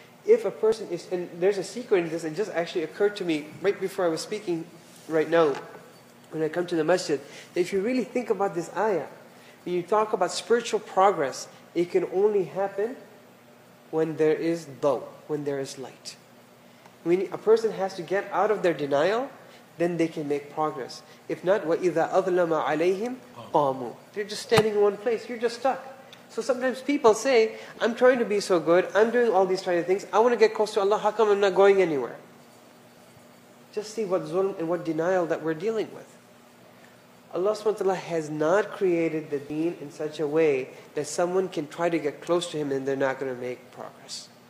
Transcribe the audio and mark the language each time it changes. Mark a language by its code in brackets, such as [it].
[en] If a person is, and there's a secret in this, it just actually occurred to me right before I was speaking right now, when I come to the masjid, that if you really think about this ayah, when you talk about spiritual progress, it can only happen when there is dhaw, when there is light. When a person has to get out of their denial, then they can make progress. If not, [ar] وَإِذَا أَظْلَمَ عَلَيْهِمْ قَامُ. [en] They're just standing in one place, you're just stuck. So sometimes people say, I'm trying to be so good, I'm doing all these trying things, I want to get close to Allah, how come I'm not going anywhere? Just see what zulm and what denial that we're dealing with. Allah subhanahu wa ta'ala has not created the deen in such a way that someone can try to get close to Him and they're not going to make progress.